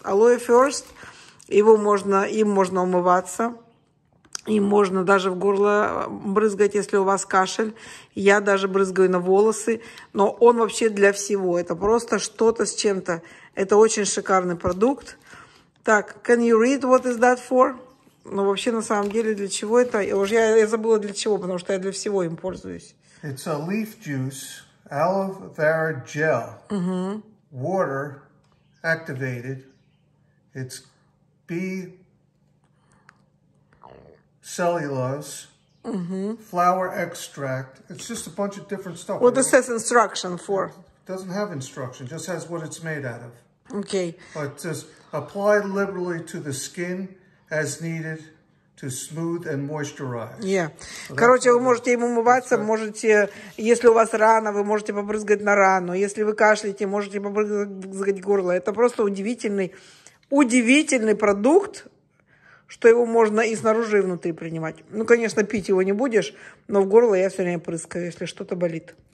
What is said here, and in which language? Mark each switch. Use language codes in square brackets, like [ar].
[ru] Алоэ [en] First, [ru] им можно умываться. Им можно даже в горло брызгать, если у вас кашель. Я даже брызгаю на волосы. Но он вообще для всего. Это просто что-то с чем-то. Это очень шикарный продукт. [en] Так, can you read what is that for? [ru] Ну, вообще, на самом деле, для чего это? Я забыла для чего, потому что я для всего им пользуюсь. [en] It's a leaf juice, aloe vera gel, water activated. It's B cellulose, flour extract. It's just a bunch of different stuff. What does this instruction for? It doesn't have instruction, just has what it's made out of. Okay. But it says, apply liberally to the skin as needed to smooth and moisturize. Yeah. [ru] So короче, вы можете им умываться, можете, если у вас рана, вы можете побрызгать на рану. Если вы кашляете, можете побрызгать горло. Это просто удивительный, удивительный продукт, что его можно и снаружи, и внутри принимать. Ну, конечно, пить его не будешь, но в горло я все время прыскаю, если что-то болит.